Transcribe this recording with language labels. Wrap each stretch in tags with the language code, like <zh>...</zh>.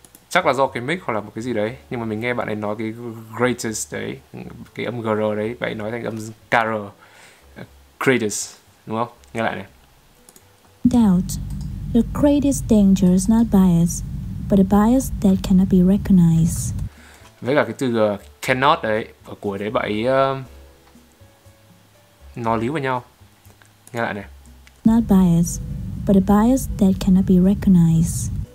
<vi>Chắc là do cái mic hoặc là một cái gì đấy, nhưng mà mình nghe bạn ấy nói cái greatest đấy, cái âm gr đấy, bạn ấy nói thành âm kr. Greatest, đúng không? Nghe lại này.</vi> <en>Doubt. The greatest danger is not bias, but a bias that cannot be recognized.</en> <vi>Với cả cái từ cannot đấy, ở cuối đấy bạn ấy nó líu vào nhau. Nghe lại này.</vi> <en>Not bias, but a bias that cannot be recognized.</en>